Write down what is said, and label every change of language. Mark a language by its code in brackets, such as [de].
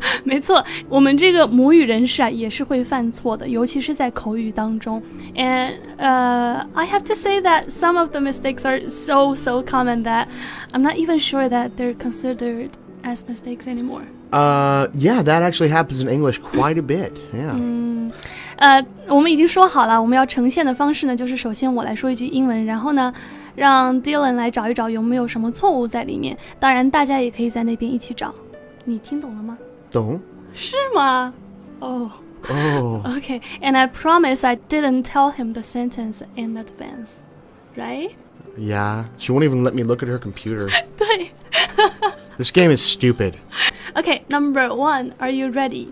[zh] 没错，我们这个母语人士啊，也是会犯错的，尤其是在口语当中。 [en] And, I have to say that some of the mistakes are so, so common that I'm not even sure that they're considered as mistakes anymore. Yeah, that actually happens in English quite a bit, yeah. [zh] 我们已经说好了，我们要呈现的方式呢，就是首先我来说一句英文，然后呢，让 Dylan 来找一找有没有什么错误在里面，当然大家也可以在那边一起找。你听懂了吗？懂。是吗？ [en] Oh. Okay, and I promise I didn't tell him the sentence in advance, right? Yeah, she won't even let me look at her computer. [zh] 对。 [en] This game is stupid. Okay, number one, are you ready?